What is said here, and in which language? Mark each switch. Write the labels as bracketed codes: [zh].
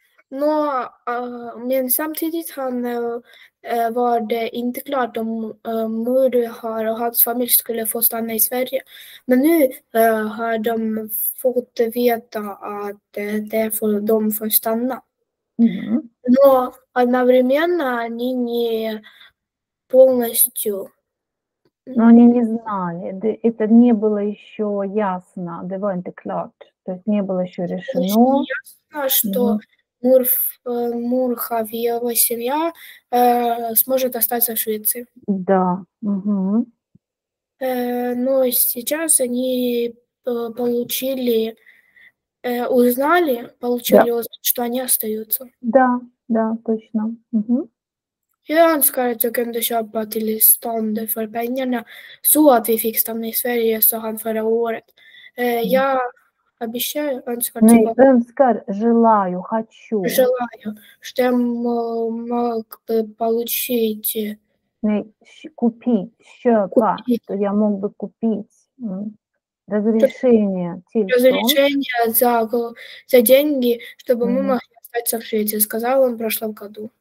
[sv] Nå, men samtidigt han var det inte klart om mor har och hans familj skulle få stanna i Sverige. Men nu har de fått veta att därför de får stanna. Mm-hmm. [ru] Nå, одновременно они не полностью. Но они не знали, это не было еще ясно, [sv] det var inte klart. [ru] То есть не было еще решено. Ясно, что Мурхавьева семья сможет остаться в Швеции. Да. Угу. Но сейчас они получили, узнали, получили, да, что они остаются. Да, да, точно. Угу. [sv] Jag önskar att jag kunde köpa till stånd för pengarna så att vi fick stanna i Sverige, sa han förra året. Jag [ru] обещаю, [sv] önskar Nej, tillbaka. Önskar, [ru] желаю, хочу. Желаю, что я мог бы получить. [sv] Nej, [ru] купить, [sv] köpa, [ru] что я мог бы купить. Разрешение till [sv] stånd. [ru] Разрешение за деньги, чтобы мы могли остаться в Швеции, сказал он в прошлом году.